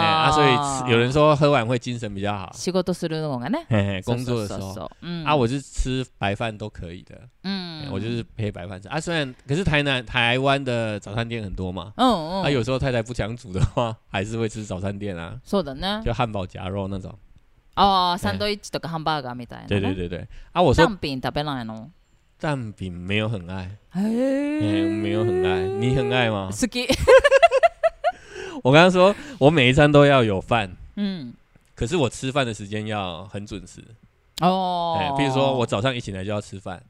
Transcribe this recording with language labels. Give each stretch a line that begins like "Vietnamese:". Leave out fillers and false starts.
Chinese: 啊，所以有人说喝完会精神比较好。
Japanese: 仕事するのがね，
Chinese: 工作的时候，啊，我是吃白饭都可以的，我就是配白饭吃啊。虽然可是台湾的早餐店很多嘛，啊，有时候太太不想煮的话，还是会吃早餐店啊。
Japanese: そうだね，
Chinese: 就汉堡夹肉那种。
Japanese: 哦，サンドイッチとかハンバーガーみたいな。
Chinese: 对对对对，啊，我说
Japanese: 蛋饼食べないの？
Chinese: 蛋饼没有很爱，没有很爱，你很爱吗？
Japanese: 好き。
Chinese: 我刚刚说我每一餐都要有饭、嗯、可是我吃饭的时间要很准时哦，比如说我早上一起来就要吃饭、